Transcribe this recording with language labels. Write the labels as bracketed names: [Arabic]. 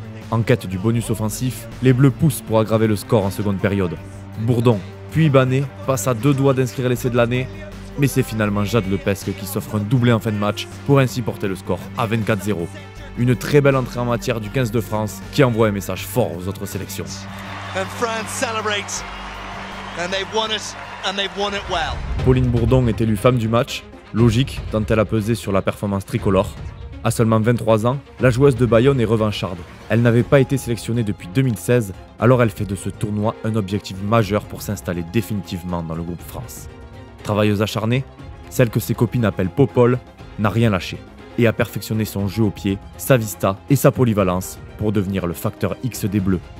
[French] En quête du bonus offensif, les Bleus poussent pour aggraver le score en seconde période. Bourdon, puis Banet, passent à deux doigts d'inscrire l'essai de l'année, mais c'est finalement Jade Lepesque qui s'offre un doublé en fin de match pour ainsi porter le score à 24-0. Une très belle entrée en matière du 15 de France qui envoie un message fort aux autres sélections. [English] And France celebrates. And they've won it, and they've won it well. [French] Pauline Bourdon est élue femme du match, Logique, tant elle a pesé sur la performance tricolore. À seulement 23 ans, la joueuse de Bayonne est revancharde. Elle n'avait pas été sélectionnée depuis 2016, alors elle fait de ce tournoi un objectif majeur pour s'installer définitivement dans le groupe France. Travailleuse acharnée, celle que ses copines appellent Popol n'a rien lâché et a perfectionné son jeu au pied, sa vista et sa polyvalence pour devenir le facteur X des Bleus.